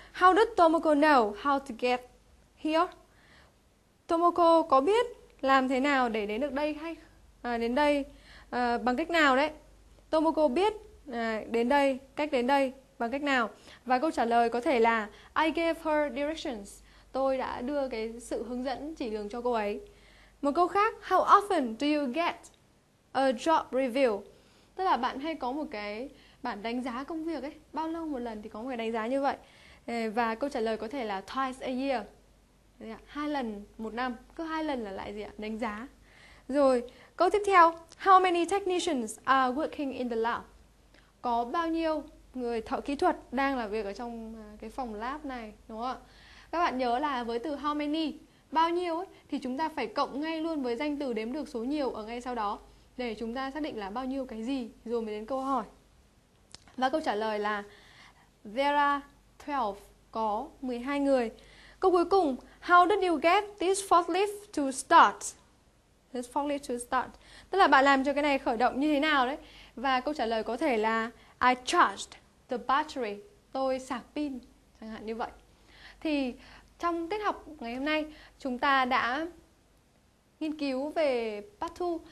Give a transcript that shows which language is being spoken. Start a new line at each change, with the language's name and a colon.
English: How does Tomoko know how to get here?
Vietnamese: Tomoko có biết làm thế nào để đến được đây hay đến đây bằng cách nào đấy? Tomoko biết đến đây, cách đến đây bằng cách nào? Và câu trả lời có thể là
English: I gave her directions.
Vietnamese: Tôi đã đưa cái sự hướng dẫn chỉ đường cho cô ấy. Một câu khác,
English: how often do you get job review,
Vietnamese: tức là bạn hay có một cái bản đánh giá công việc ấy, bao lâu một lần thì có một cái đánh giá như vậy. Và câu trả lời có thể là
English: twice a year,
Vietnamese: hai lần một năm, cứ hai lần là lại gì ạ, đánh giá. Rồi câu tiếp theo,
English: how many technicians are working in the lab,
Vietnamese: có bao nhiêu người thợ kỹ thuật đang làm việc ở trong cái phòng lab này, đúng không ạ? Các bạn nhớ là với từ how many, bao nhiêu ấy, thì chúng ta phải cộng ngay luôn với danh từ đếm được số nhiều ở ngay sau đó để chúng ta xác định là bao nhiêu cái gì rồi mới đến câu hỏi. Và câu trả lời là
English: there are 12,
Vietnamese: có 12 người.
English: Câu cuối cùng, how did you get this forklift to start? This forklift to start.
Vietnamese: Tức là bạn làm cho cái này khởi động như thế nào đấy? Và câu trả lời có thể là
English: I charged the battery.
Vietnamese: Tôi sạc pin, chẳng hạn như vậy. Thì trong tiết học ngày hôm nay, chúng ta đã nghiên cứu về Part 2.